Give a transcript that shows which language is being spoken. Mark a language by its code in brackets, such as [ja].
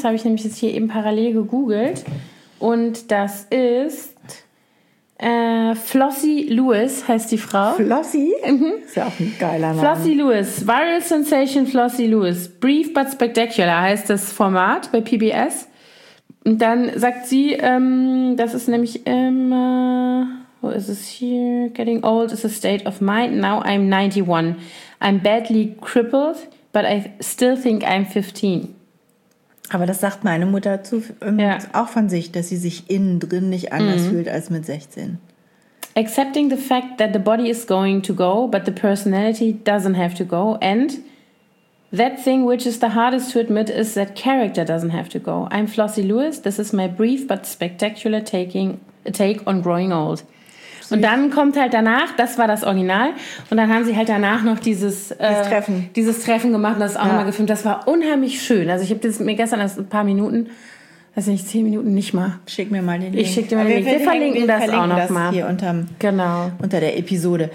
[de] Das habe ich nämlich jetzt hier eben parallel gegoogelt. Und das ist Flossie Lewis, heißt die Frau. Flossie? Mhm. Ist ja auch ein geiler Name. Flossie Lewis. Viral Sensation Flossie Lewis. Brief but Spectacular heißt das Format bei PBS. Und dann sagt sie, das ist nämlich immer... Wo ist es hier? [en] Getting old is a state of mind. Now I'm 91. I'm badly crippled, but I still think I'm 15. [de] Aber das sagt meine Mutter auch von sich, dass sie sich innen drin nicht anders fühlt als mit 16. [en] Accepting the fact that the body is going to go, but the personality doesn't have to go. And that thing which is the hardest to admit is that character doesn't have to go. I'm Flossie Lewis. This is my brief but spectacular take on growing old. [de] Und dann kommt halt danach, das war das Original, und dann haben sie halt danach noch dieses Treffen gemacht und das auch nochmal gefilmt. Das war unheimlich schön. Also ich habe das mir gestern erst ein paar Minuten, weiß nicht, 10 Minuten nicht mal. Schick mir mal den Link. Ich schick dir mal den Link. Wir verlinken das auch nochmal. Hier unter der Episode.